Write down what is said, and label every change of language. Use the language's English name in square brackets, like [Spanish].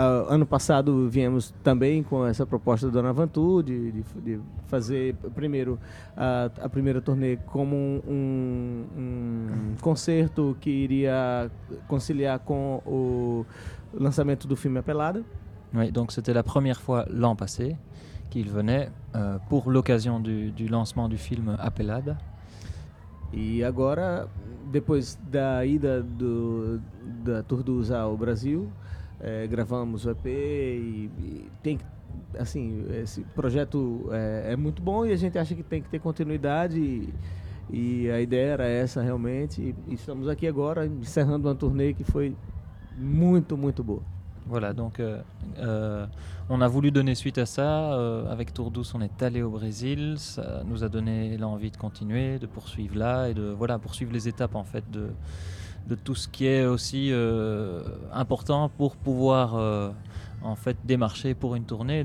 [Portuguese] Ano passado viemos também com essa proposta do Anavantu de fazer primeiro a primeira turnê como um concerto que iria conciliar com o lançamento do filme Apelada. [French] Oui, donc c'était la première fois l'an passé qu'il venait pour l'occasion du lancement du film Apelada. [Portuguese] E agora, depois da ida da Tourdousse ao Brasil, gravamos o EP e tem que, assim, esse projeto é muito bom e a gente acha que tem que ter continuidade e a ideia era essa realmente. E estamos aqui agora encerrando uma turnê que foi muito, muito boa. [French] Voilà, donc on a voulu donner suite à ça. Avec Tourdousse, on est allé au Brésil. Ça nous a donné l'envie de continuer, de poursuivre là et de poursuivre les étapes en fait de tout ce qui est aussi important pour pouvoir en fait démarcher pour une tournée.